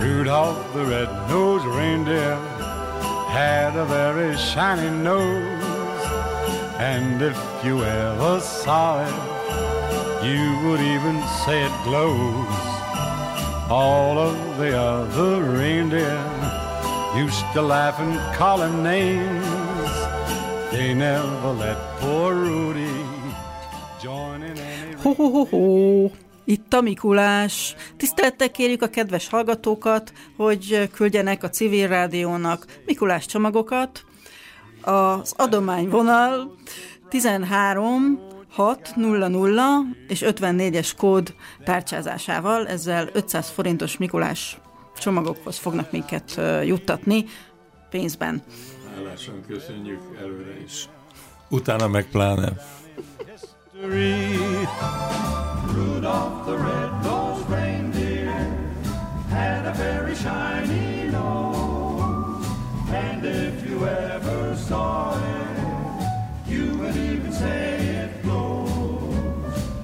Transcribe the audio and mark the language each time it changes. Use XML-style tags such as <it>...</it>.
<en>Rudolph the red-nosed reindeer had a very shiny nose, and if you ever saw it, you would even say it glows. All of the other reindeer used to laugh and call him names. They never let poor Rudy join in any.</en> <hu>Ho, ho, ho, ho! Itt a Mikulás. Tisztelettel kérjük a kedves hallgatókat, hogy küldjenek a civil rádiónak Mikulás csomagokat. Az adományvonal 13600 és 54-es kód tárcsázásával, ezzel 500 forintos Mikulás csomagokhoz fognak minket juttatni pénzben. Hálásan köszönjük előre is. Utána meg pláne.</hu> <en>Rudolph the red-nosed reindeer had a very shiny nose, and if you ever saw it, you would even say it glows.</en>